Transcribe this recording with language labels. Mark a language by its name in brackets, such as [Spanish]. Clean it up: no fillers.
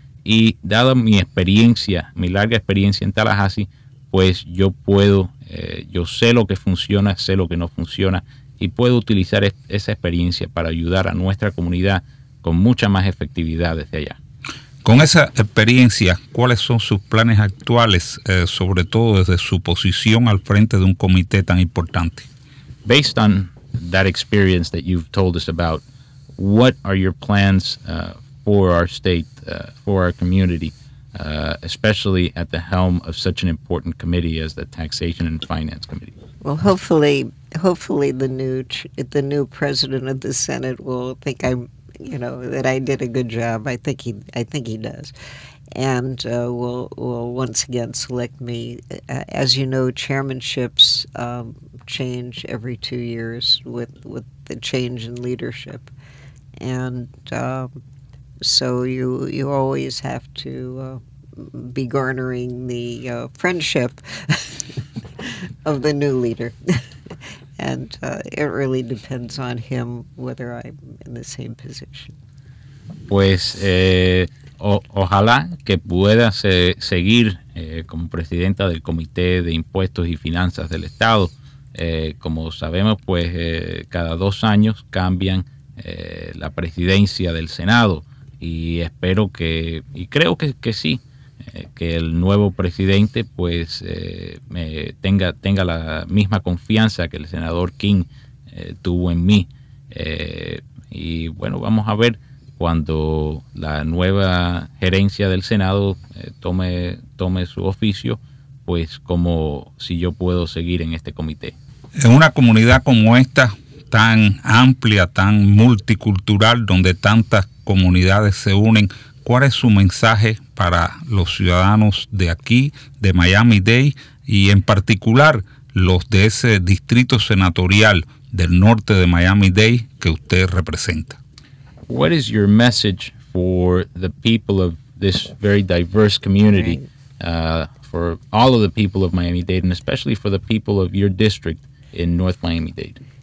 [Spanish] Y dada mi experiencia, mi larga experiencia en Tallahassee, pues yo puedo, yo sé lo que funciona, sé lo que no funciona, y puedo utilizar esa experiencia para ayudar a nuestra comunidad con mucha más efectividad desde allá. Con esa experiencia, ¿cuáles son sus planes actuales, sobre todo desde su posición al frente de un comité tan importante? [English] Based on that experience that you've told us about, what are your plans for our state, for our community, especially at the helm of such an important committee as the Taxation and Finance Committee? Well, hopefully the new president of the Senate will think that I did a good job. I think he does, and will once again select me. As you know, chairmanships change every 2 years with the change in leadership, and so you always have to be garnering the friendship of the new leader. And it really depends on him whether I'm in the same position. [Spanish] Pues ojalá que pueda seguir como presidenta del Comité de Impuestos y Finanzas del Estado. Como sabemos, pues cada 2 años cambian la presidencia del Senado. Y espero que, y creo que sí, que el nuevo presidente pues tenga la misma confianza que el senador King tuvo en mí. Y bueno, vamos a ver cuando la nueva gerencia del Senado tome su oficio, pues como si yo puedo seguir en este comité. En una comunidad como esta, tan amplia, tan multicultural, donde tantas comunidades se unen, ¿cuál es su mensaje para los ciudadanos de aquí, de Miami-Dade, y en particular los de ese distrito senatorial del norte de Miami-Dade que usted representa? [English] What is your message for the people of this very diverse community, for all of the people of Miami-Dade, and especially for the people of your district in North Miami-Dade?